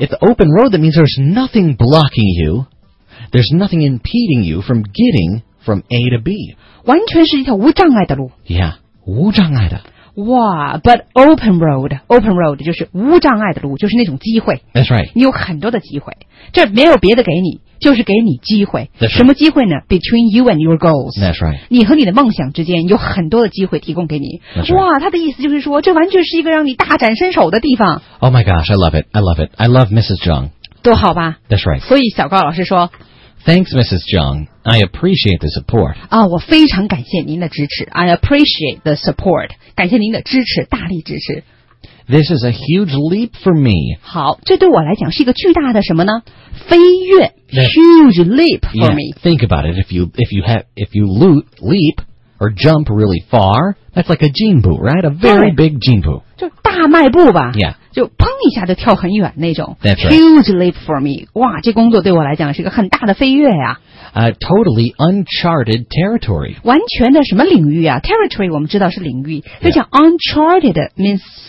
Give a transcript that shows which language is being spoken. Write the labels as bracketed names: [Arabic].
[English] It's open road, that means there's nothing blocking you. There's nothing impeding you from getting from A to B. [Chinese] 完全是一条无障碍的路。 Yeah, 无障碍的。哇、wow, [English] but open road [Chinese] 就是无障碍的路，就是那种机会。 [English] That's right. [Chinese] 你有很多的机会。这没有别的给你，就是给你机会。 [English] That's right. [Chinese] 什么机会呢？ [English] Between you and your goals. That's right. [Chinese] 你和你的梦想之间有很多的机会提供给你。 [English] That's right. [Chinese] 哇，他的意思就是说，这完全是一个让你大展身手的地方。 [English] Oh my gosh, I love it. I love it. I love Mrs. Zhang. [Chinese] 多好吧。 [English] That's right. [Chinese] 所以小高老师说 [English] Thanks, Mrs. Zhang. I appreciate the support. [Chinese] 啊，我非常感谢您的支持。 [English] I appreciate the support. [Chinese] 感谢您的支持，大力支持。 [English] This is a huge leap for me. [Chinese] 好，这对我来讲是一个巨大的什么呢？ [English] 飞跃。Huge leap for me. Think about it. If you leap or jump really far, that's like a jinbu, right? A very big jinbu. [Chinese] 就大迈步吧。 [English] Yeah. [Chinese] 就砰一下就跳很远那种、 [English] That's、 Huge、 right. leap for me. [Chinese] 哇，这工作对我来讲是一个很大的飞跃呀、 [English] 啊、Totally uncharted territory. [Chinese] 完全的什么领域啊？Territory 我们知道是领域，这、 [English] yeah. 叫 uncharted means